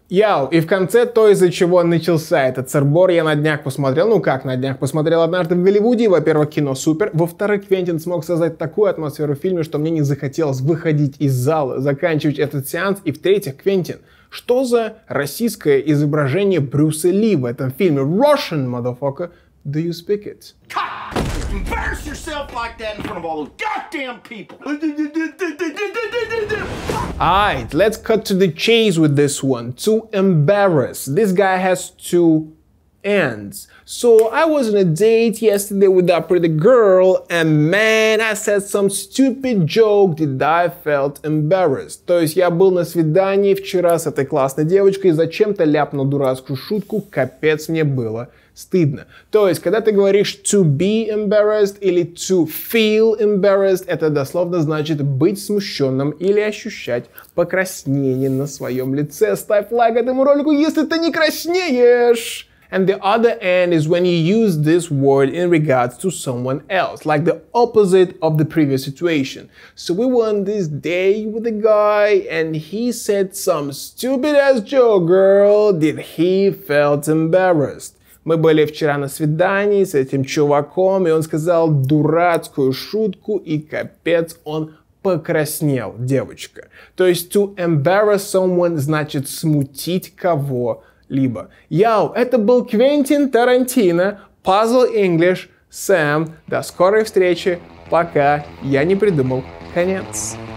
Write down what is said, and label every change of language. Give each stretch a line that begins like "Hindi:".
Russian: Яо, и в конце то, из-за чего начался этот сырбор, я на днях посмотрел, ну как на днях, посмотрел «Однажды в Голливуде», во-первых, кино супер, во-вторых, Квентин смог создать такую атмосферу в фильме, что мне не захотелось выходить из зала, заканчивать этот сеанс, и в-третьих, Квентин, что за российское изображение Брюса Ли в этом фильме?
English: Russian, motherfucker, do you speak it? Embarrass yourself like that in front of all those goddamn people. Alright, let's cut to the chase with this one. To embarrass. This guy has two ends. So I was on a date yesterday with that pretty girl, and man, I said some stupid joke that I felt embarrassed.
Russian: То есть я был на свидании вчера с этой классной девочкой и зачем-то ляпнул дурацкую шутку, капец мне было стыдно. То есть, когда ты говоришь
English: to be embarrassed
Russian: или
English: to feel embarrassed,
Russian: это дословно значит быть смущенным или ощущать покраснение на своем лице. Ставь лайк этому ролику, если ты не краснеешь!
English: And the other end is when you use this word in regards to someone else, like the opposite of the previous situation. So we were on this day with a guy and he said some stupid ass joke, girl, did he felt embarrassed.
Russian: Мы были вчера на свидании с этим чуваком, и он сказал дурацкую шутку, и капец, он покраснел, девочка. То есть
English: to embarrass someone
Russian: значит смутить кого-либо. Йоу, это был Квентин Тарантино, Puzzle English, Сэм. До скорой встречи, пока я не придумал конец.